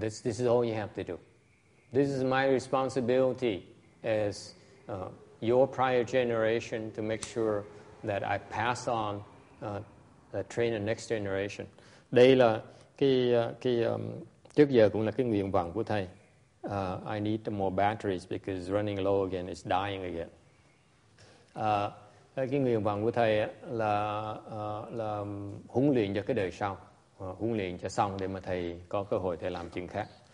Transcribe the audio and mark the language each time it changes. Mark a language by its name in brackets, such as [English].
[English] This is all you have to do. This is my responsibility as your prior generation to make sure that I pass on the train the next generation. [Vietnamese] Đây là cái trước giờ cũng là cái nguyện vọng của thầy. [English] I need more batteries because running low again, it's dying again. [Vietnamese] Cái nguyện vọng của thầy là huấn luyện cho cái đời sau, huấn luyện cho xong để mà thầy có cơ hội thầy làm chuyện khác.